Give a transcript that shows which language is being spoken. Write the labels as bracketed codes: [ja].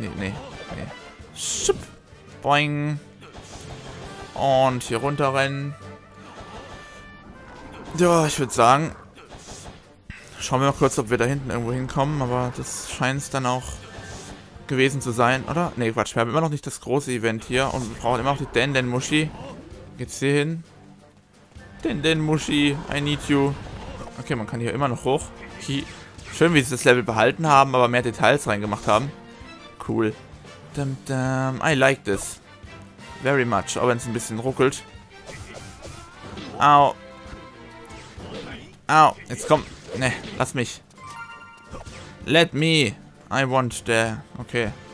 [de] Nee. Schupp. Boing. Und hier runterrennen. Ja, ich würde sagen, schauen wir mal kurz, ob wir da hinten irgendwo hinkommen. Aber das scheint es dann auch gewesen zu sein, oder? Nee, Quatsch. Wir haben immer noch nicht das große Event hier. Und wir brauchen immer noch die Denden-Muschi. Geht's hier hin? [en] Denden-Muschi, I need you. [de] Okay, man kann hier immer noch hoch. Okay. Schön, wie sie das Level behalten haben, aber mehr Details reingemacht haben. [en] Cool. I like this. Very much. [de] Auch wenn es ein bisschen ruckelt. Au. Au. Jetzt komm. Ne, lass mich. [en] Let me. I want the. Okay.